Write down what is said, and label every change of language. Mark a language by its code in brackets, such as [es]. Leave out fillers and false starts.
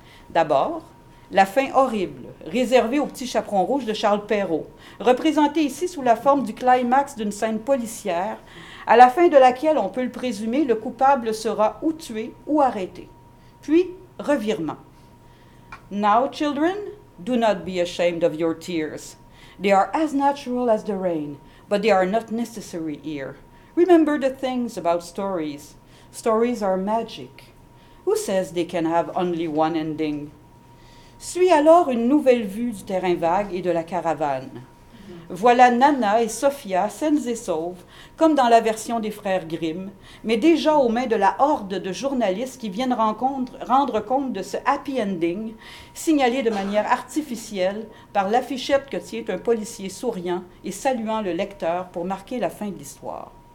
[fr] D'abord, la fin horrible, réservée au petit chaperon rouge de Charles Perrault, représentée ici sous la forme du climax d'une scène policière, à la fin de laquelle, on peut le présumer, le coupable sera ou tué ou arrêté. Puis, revirement. [en] Now, children, do not be ashamed of your tears. They are as natural as the rain, but they are not necessary here. Remember the things about stories. Stories are magic. Who says they can have only one ending? [fr] Suit alors une nouvelle vue du terrain vague et de la caravane. Voilà Nana et Sophia, saines et sauves, comme dans la version des frères Grimm, mais déjà aux mains de la horde de journalistes qui viennent rendre compte de ce happy ending, signalé de manière artificielle par l'affichette que tient un policier souriant et saluant le lecteur pour marquer la fin de l'histoire.